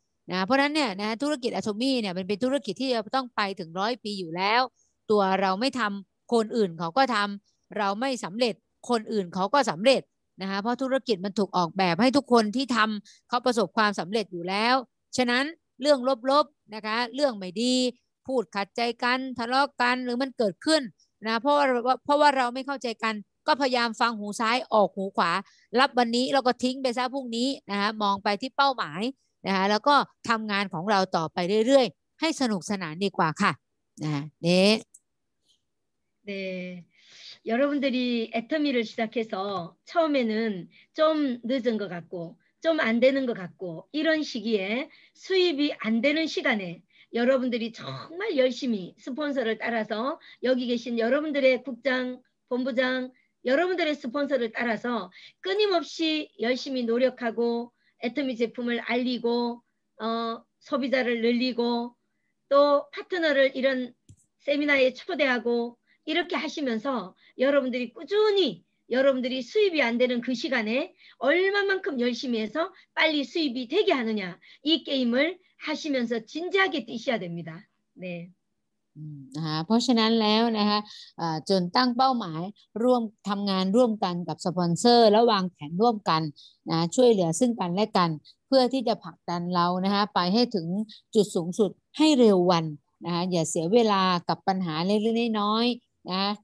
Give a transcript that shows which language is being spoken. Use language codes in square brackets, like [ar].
[th] นะเพราะนั้นเนี่ยนะธุรกิจอะโทมี่เนี่ยเป็นธุรกิจที่ต้องไปถึง100ปีอยู่แล้วตัวเราไม่ทำคนอื่นเขาก็ทำเราไม่สำเร็จคนอื่นเขาก็สำเร็จนะคะเพราะธุรกิจมันถูกออกแบบให้ทุกคนที่ทำเขาประสบความสำเร็จอยู่แล้วฉะนั้นเรื่องลบๆนะคะเรื่องไม่ดีพูดขัดใจกันทะเลาะ กันหรือมันเกิดขึ้นนะเพราะว่ าเราไม่เข้าใจกันก็พยายามฟังหูซ้ายออกหูขวารับวันนี้แล้วก็ทิ้งไปซะพรุ่งนี้นะคะมองไปที่เป้าหมายนะคะแล้วก็ทำงานของเราต่อไปเรื่อยๆให้สนุกสนานดีกว่าค่ะนะเนี่ย [ko] 네 여러분들이 애터미를 시작해서 처음에는 좀 늦은 것 같고 좀 안 되는 것 같고 이런 시기에 수입이 안 되는 시간에 여러분들이 정말 열심히 스폰서를 따라서 여기 계신 여러분들의 국장, 본부장, 여러분들의 스폰서를 따라서 끊임없이 열심히 노력하고 애터미 제품을 알리고 소비자를 늘리고 또 파트너를 이런 세미나에 초대하고 이렇게 하시면서 여러분들이 꾸준히 여러분들이 수입이 안 되는 그 시간에 얼마만큼 열심히 해서 빨리 수입이 되게 하느냐 이 게임을 하시면서 진지하게 뛰셔야 됩니다. 네. [th] เพราะฉะนั้นแล้วนะคะจนตั้งเป้าหมายร่วมทำงานร่วมกันกับสปอนเซอร์แล้ววางแผนร่วมกันนะช่วยเหลือซึ่งกันและกันเพื่อที่จะผลักดันเรานะคะไปให้ถึงจุดสูงสุดให้เร็ววันนะคะอย่าเสียเวลากับปัญหาเล็กๆน้อยนะ